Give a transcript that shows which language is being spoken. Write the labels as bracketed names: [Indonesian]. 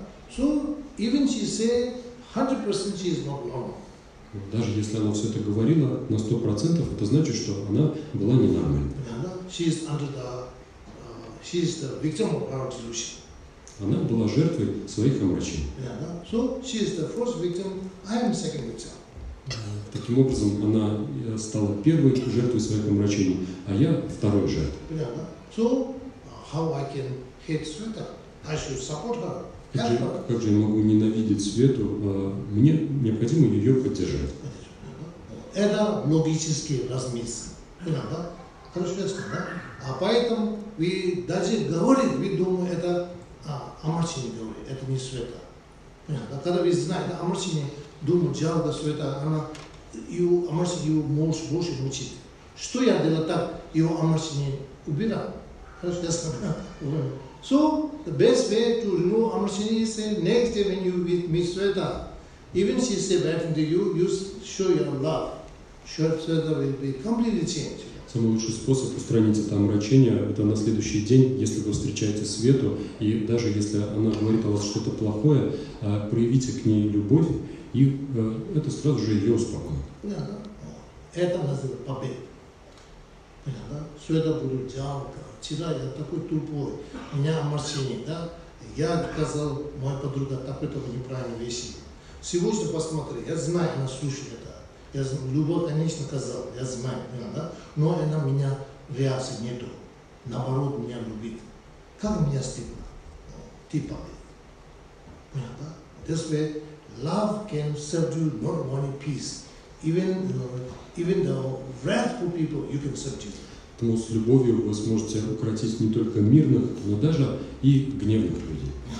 [English] So even she say 100% she is not normal. [Russian] Даже если она все это говорила на 100%, это значит, что она была ненормальной. [English] She is under the she is the victim of her delusion. [Russian] Она была жертвой своих омрачений. [English] So she is the first victim. I am second victim. [Russian] Таким образом, она стала первой жертвой своих омрачений, а я второй жертвой. [English] So how I can hate Sveta? I should support her. [Russian] Как же я могу ненавидеть Свету? Мне необходимо ее поддержать. Это логический размис. Хорошо, да? А поэтому вы даже говорите, вы думаете, это омрачение говорит, это не Света. Понятно? Когда вы знаете омрачение, думаете, жалко Света, она ее омрачение может больше мучить. Что я делаю так, ее омрачение убирал? Хорошо, ясно? [English] So the best way to remove amarshini is say next day when you meet Sweta, even she say bad thing to you, you show your love. Sure, Sweta will be completely changed. [Russian] Самый лучший способ устранить это омрачение – это на следующий день, если вы встречаете Свету, и даже если она говорит о вас что-то плохое, проявите к ней любовь, и это сразу же ее успокоит. Это называется победа. Света будет жалко. Вчера я такой тупой, у меня омрачение, да? Я сказал, моя подруга, такой-то неправильной вещи. Сегодня посмотри, я знаю, она слушает это. Я знаю, любовь, конечно, сказал, я знаю, да? Но она у меня реакции нету. Наоборот, меня любит. Как у меня стыдно? Ты побед. Понятно? [English] This way, love can subdue not only peace. Even the wrathful people, you can subdue. [Russian] Потому с любовью вы сможете укротить не только мирных, но даже и гневных людей.